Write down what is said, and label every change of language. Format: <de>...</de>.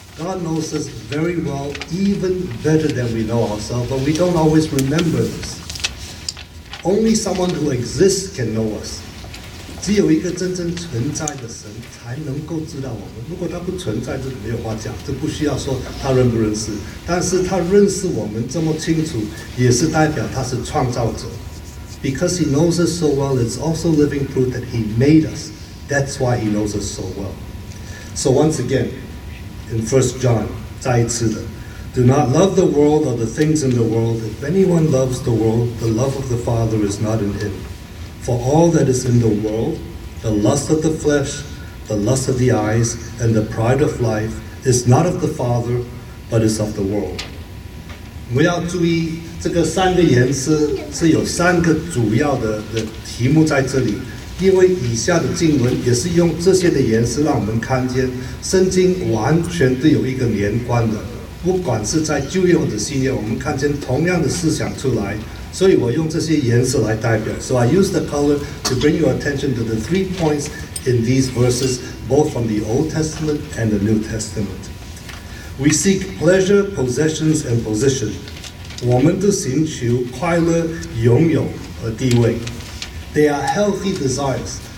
<en>God knows us very well, even better than we know ourselves, but we don't always remember this. Only someone who exists can know us.</en> <zh>只有一个真正存在的神才能够知道我们。如果他不存在，就没有话讲，就不需要说他认不认识。但是他认识我们这么清楚，也是代表他是创造者。</zh> <en>Because he knows us so well, it's also living proof that he made us. That's why he knows us so well. So once again, in 1 John,</en> <zh>再一次的</zh> <en>Do not love the world or the things in the world. If anyone loves the world, the love of the Father is not in him. For all that is in the world, the lust of the flesh, the lust of the eyes, and the pride of life, is not of the Father, but is of the world.</en> <zh>我们要注意这个三个颜色是有三个主要的题目在这里。因为以下的经文也是用这些的颜色让我们看见圣经完全都有一个连贯的不管是在旧约或者新约我们看见同样的思想出来所以我用这些颜色来代表</zh> <en>So I use the color to bring your attention to the three points in these verses both from the Old Testament and the New Testament We seek pleasure, possessions, and position</en> <zh>我们都寻求快乐、拥有和地位</zh> <en>They are healthy desires.</en>